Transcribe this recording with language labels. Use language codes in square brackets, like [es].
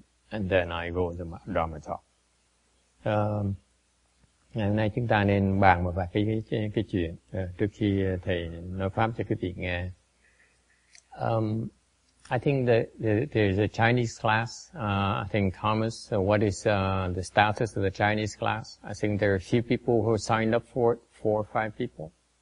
[en] And then I go to the Dharma talk. [vi] Ngày hôm nay chúng ta nên bàn một vài cái chuyện trước khi thầy nói pháp cho quý vị nghe. [en] I think there's a Chinese class. I think Thomas, what is the status of the Chinese class? I think there are a few people who signed up for it, 4 or 5 people.